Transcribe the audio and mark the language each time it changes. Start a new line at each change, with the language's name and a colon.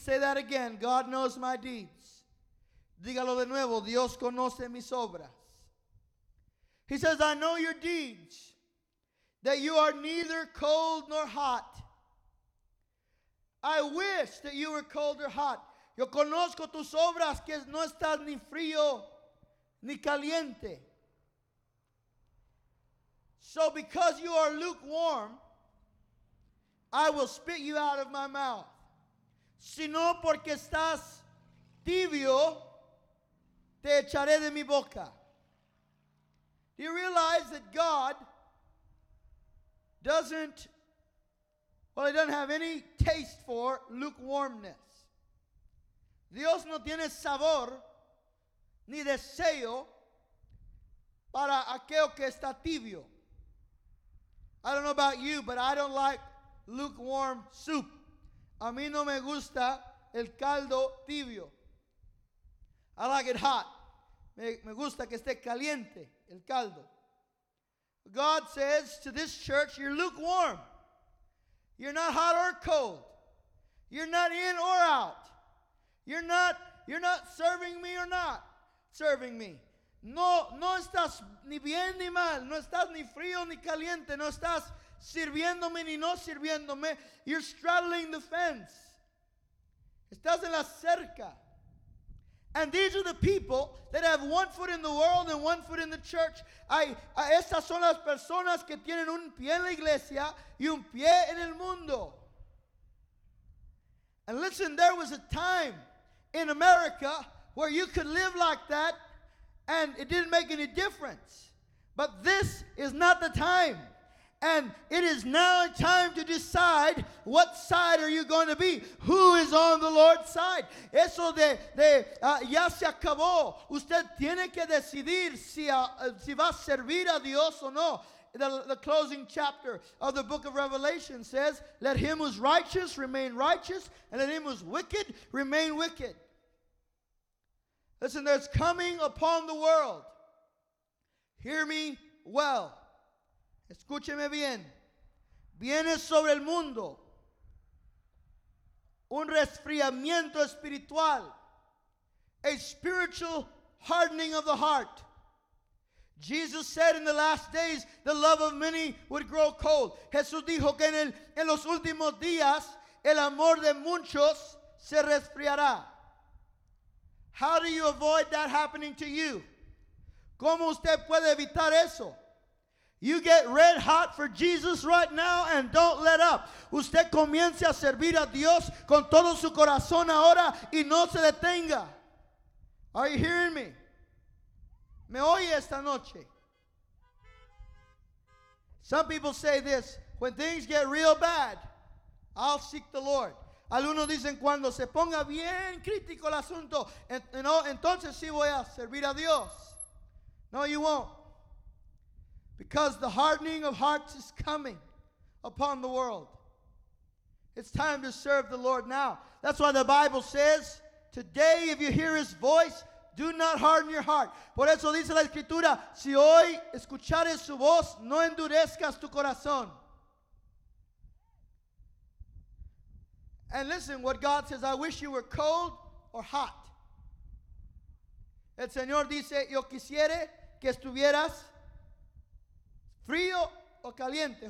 English: Say that again, God knows my deeds.
Spanish: Dígalo de nuevo, Dios conoce mis obras.
English: He says, I know your deeds, that you are neither cold nor hot. I wish that you were cold or hot.
Spanish: Yo conozco tus obras que no estás ni frío ni caliente.
English: So because you are lukewarm, I will spit you out of my mouth.
Spanish: Si no porque estás tibio, te echaré de mi boca.
English: Do you realize that God doesn't, well, he doesn't have any taste for lukewarmness.
Spanish: Dios no tiene sabor ni deseo aquel que está tibio.
English: I don't know about you, but I don't like lukewarm soup.
Spanish: A mí no me gusta el caldo tibio.
English: I like it hot.
Spanish: Me gusta que esté caliente el caldo.
English: God says to this church, you're lukewarm. You're not hot or cold. You're not in or out. You're not serving me or not serving me.
Spanish: No estás ni bien ni mal. No estás ni frío ni caliente. No estás sirviéndome ni no sirviéndome.
English: You're straddling the fence.
Spanish: Estás en la cerca.
English: And these are the people that have one foot in the world and one foot in the church.
Spanish: Esas son las personas que tienen un pie en la iglesia y un pie en el mundo.
English: And listen, there was a time in America where you could live like that and it didn't make any difference. But this is not the time. And it is now a time to decide what side are you going to be. Who is on the Lord's side?
Spanish: Eso ya se acabó. Usted tiene que decidir si va a servir a Dios o no.
English: The closing chapter of the book of Revelation says, let him who's righteous remain righteous, and let him who's wicked remain wicked. Listen, there's coming upon the world. Hear me well.
Spanish: Escúcheme bien. Viene sobre el mundo un resfriamiento espiritual,
English: a spiritual hardening of the heart. Jesus said in the last days, the love of many would grow cold.
Spanish: Jesús dijo que en los últimos días, el amor de muchos se resfriará.
English: How do you avoid that happening to you?
Spanish: ¿Cómo usted puede evitar eso?
English: You get red hot for Jesus right now and don't let up.
Spanish: Usted comience a servir a Dios con todo su corazón ahora y no se detenga.
English: Are you hearing me?
Spanish: ¿Me oye esta noche?
English: Some people say this, when things get real bad, I'll seek the Lord.
Spanish: Algunos dicen, cuando se ponga bien crítico el asunto, entonces sí voy a servir a Dios.
English: No, you won't. Because the hardening of hearts is coming upon the world. It's time to serve the Lord now. That's why the Bible says, today if you hear his voice, do not harden your heart.
Spanish: Por eso dice la Escritura, si hoy escuchares su voz, no endurezcas tu corazón.
English: And listen, what God says, I wish you were cold or hot.
Spanish: El Señor dice, yo quisiera que estuvieras frío o caliente.